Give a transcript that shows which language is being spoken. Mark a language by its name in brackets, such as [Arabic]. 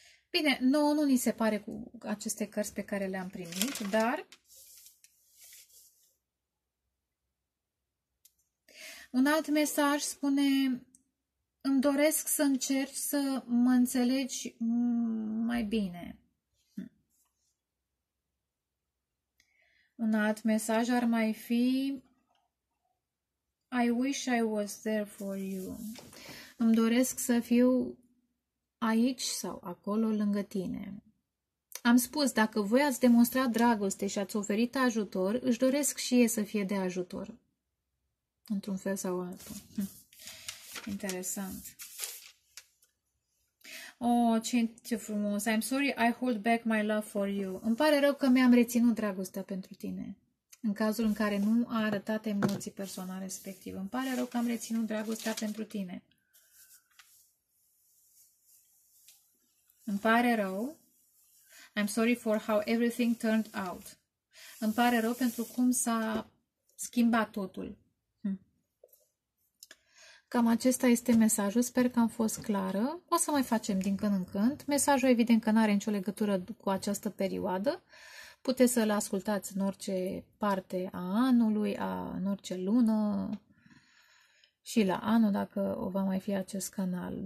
[Romanian] Bine, nouă nu ni se pare cu aceste cărți pe care le-am primit, dar un alt mesaj spune: îmi doresc să încerci să mă înțelegi mai bine. Un alt mesaj ar mai fi: [English] I wish I was there for you. [Romanian] Îmi doresc să fiu aici sau acolo lângă tine. Am spus, dacă voi ați demonstrat dragoste și ați oferit ajutor, își doresc și ei să fie de ajutor. Într-un fel sau altul. Interesant. Oh, ce frumos. [English] I'm sorry, I hold back my love for you. [Romanian] Îmi pare rău că mi-am reținut dragostea pentru tine. În cazul în care nu a arătat emoții persoana respectivă. Îmi pare rău că am reținut dragostea pentru tine. Îmi pare rău. [English] I'm sorry for how everything turned out. [Romanian] Îmi pare rău pentru cum s-a schimbat totul. Cam acesta este mesajul. Sper că am fost clară. O să mai facem din când în când. Mesajul evident că nu are nicio legătură cu această perioadă. Puteți să-l ascultați în orice parte a anului, în orice lună și la anul, dacă o va mai fi acest canal.